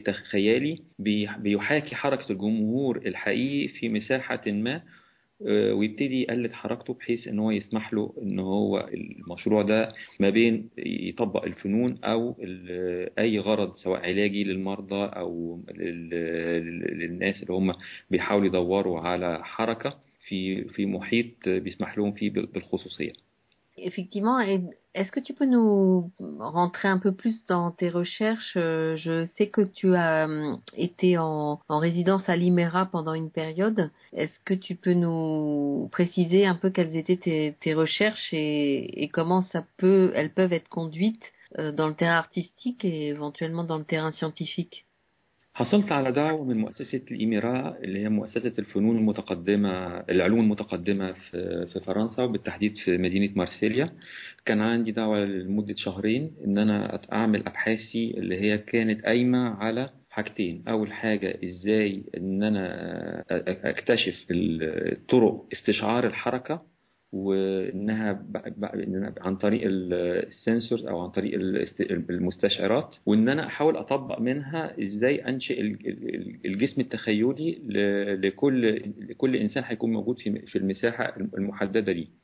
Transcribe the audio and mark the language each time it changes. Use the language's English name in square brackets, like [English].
[Arabic] خيالي بيحاكي حركة الجمهور الحقيقي في مساحة ما، ويبتدي يقلد حركته بحيث إن هو يسمح له إن هو المشروع ده ما بين يطبق الفنون أو أي غرض سواء علاجي للمرضى أو للناس اللي هم بيحاولوا يدوروا على حركة في محيط بيسمح لهم فيه بالخصوصية. [French] Effectivement, est-ce que tu peux nous rentrer un peu plus dans tes recherches? Je sais que tu as été en résidence à Limeira pendant une période. Est-ce que tu peux nous préciser un peu quelles étaient tes recherches et comment elles peuvent être conduites dans le terrain artistique et éventuellement dans le terrain scientifique? [Arabic] حصلت على دعوة من مؤسسة الإيميرا اللي هي مؤسسة الفنون المتقدمة العلوم المتقدمة في فرنسا وبالتحديد في مدينة مارسيليا. كان عندي دعوة لمدة شهرين إن أنا أعمل أبحاثي اللي هي كانت قايمة على حاجتين: أول حاجة إزاي إن أنا أكتشف طرق استشعار الحركة وانها عن طريق السنسورز او عن طريق المستشعرات، وان انا احاول اطبق منها ازاي انشئ الجسم التخيلي لكل انسان هيكون موجود في المساحه المحدده دي.